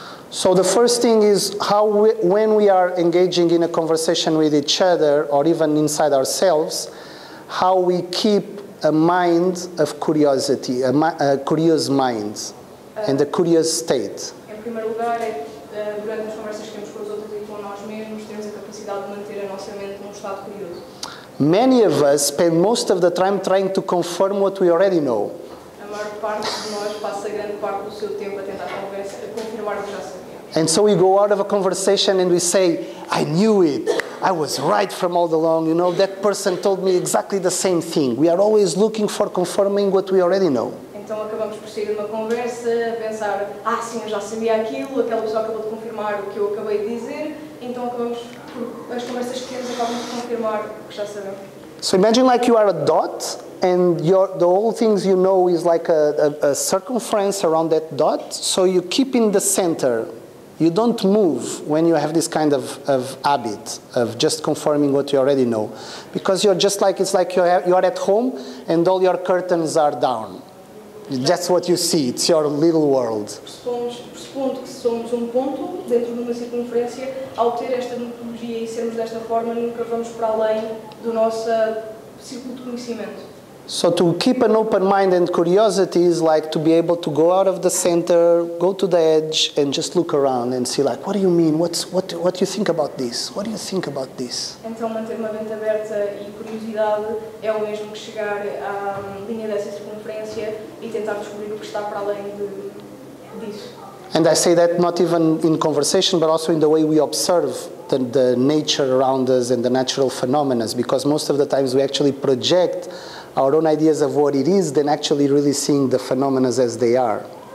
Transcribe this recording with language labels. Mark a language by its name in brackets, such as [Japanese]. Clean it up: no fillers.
[English] So the first thing is how we, when we are engaging in a conversation with each other or even inside ourselves, how we keep a mind of curiosity, a curious mind, and a curious state. [Portuguese] Em primeiro lugar, durante as conversas que temos com os outros e com nós mesmos, temos a capacidade de manter a nossa mente num estado curioso. [English] Many of us spend most of the time trying to confirm what we already know. [Portuguese] A maior parte de nós passa grande parte do seu tempo a tentar confirmar o que já sabemos. [English] And so we go out of a conversation and we say, I knew it, I was right from all along, you know, that person told me exactly the same thing. We are always looking for confirming what we already know. [Portuguese] Então acabamos por sair de uma conversa, pensar, ah sim, eu já sabia aquilo, aquela pessoa acabou de confirmar o que eu acabei de dizer, então acabamos por as conversas que temos acabam de confirmar o que já sabemos. [English] So imagine like you are a dot, and your, the whole things you know is like a circumference around that dot, so you keep in the center. You don't move when you have this kind of habit of just confirming what you already know. Because you're just like, it's like you're at home and all your curtains are down. That's what you see, it's your little world. [Portuguese] Pressupondo que somos ponto dentro de uma circunferência, ao ter esta metodologia e sermos desta forma, nunca vamos para além do nosso círculo de conhecimento. [English] So to keep an open mind and curiosity is like to be able to go out of the center, go to the edge, and just look around and see like, what do you mean? What do you think about this? What do you think about this? [Portuguese] Então manter uma mente aberta e curiosidade é o mesmo que chegar à linha dessa circunferência e tentar descobrir o que está para além disso. [English] And I say that not even in conversation, but also in the way we observe the nature around us and the natural phenomena, because most of the times we actually project our own ideas of what it is, than actually really seeing the phenomena as they are.